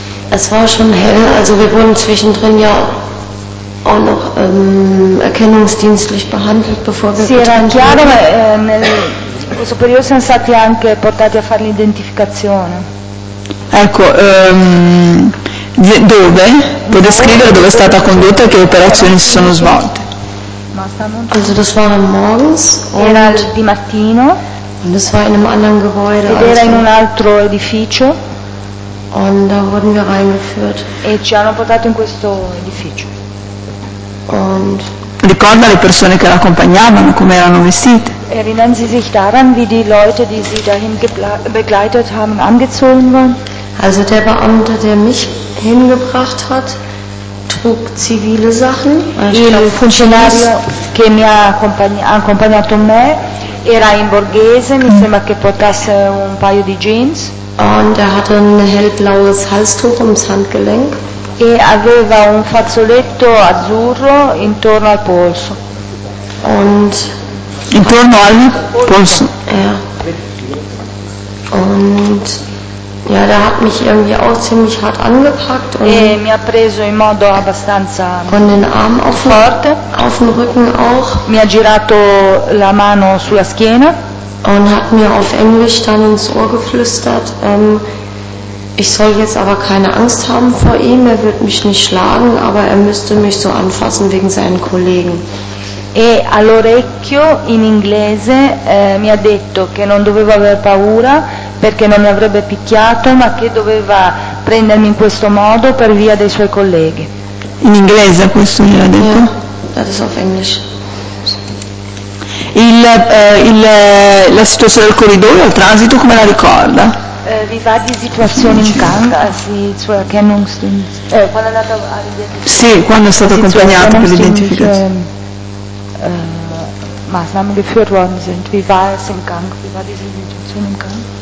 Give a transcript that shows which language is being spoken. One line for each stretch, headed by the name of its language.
German: Es war schon hell, also wir wurden zwischendrin ja auch noch erkennungsdienstlich behandelt, bevor wir getrennt wurden.
Italian: Sì, era chiaro, in questo periodo siamo stati anche portati a fare l'identificazione. Ecco, dove? Può descrivere dove è stata condotta e che operazioni si sono svolte?
German: Also das war morgens.
Italian: Era di mattino.
German: Und das war in einem anderen Gebäude.
Italian: Ed era in un altro edificio.
German: Und da wurden wir reingeführt.
Italian: E ci hanno portato in questo edificio.
German: Und
Italian: ricorda le persone che l'accompagnavano, come erano vestite?
German: Erinnern Sie sich daran, wie die Leute, die Sie dahin begleitet haben, angezogen waren? Also der Beamte, der mich hingebracht hat, trug zivile Sachen.
Italian: Il funzionario che mi ha accompagnato me era in borghese, mi sembra che portasse un paio di jeans.
German: Und er hatte ein hellblaues Halstuch ums Handgelenk.
Italian: E aveva un fazzoletto azzurro intorno al polso.
German: Und
Italian: intorno al polso.
German: Ja. Und ja, der hat mich irgendwie auch ziemlich hart angepackt.
Italian: E mi ha preso in modo abbastanza
German: con den Arm auf
Italian: forte.
German: Auf dem Rücken auch.
Italian: Mi ha girato la mano sulla schiena.
German: Und hat mir auf Englisch dann ins Ohr geflüstert, ich soll jetzt aber keine Angst haben vor ihm, er wird mich nicht schlagen, aber er müsste mich so anfassen wegen seinen Kollegen.
Italian: E all'orecchio in inglese mi ha detto che non dovevo aver paura perché non mi avrebbe picchiato, ma che doveva prendermi in questo modo per via dei suoi colleghi. In inglese questo mi ha detto?
English: Yeah, that is off English.
Italian: La situazione del corridoio, il transito, come la ricorda? Vi va di situazione in Kang, si sua Erkennungsdienst. Quando è andata a identificare? Sì, quando è stato accompagnato per l'identificazione.
German: Maßnahmen geführt worden sind. Wie war es in Kang? Wie war diese Situation in Kang?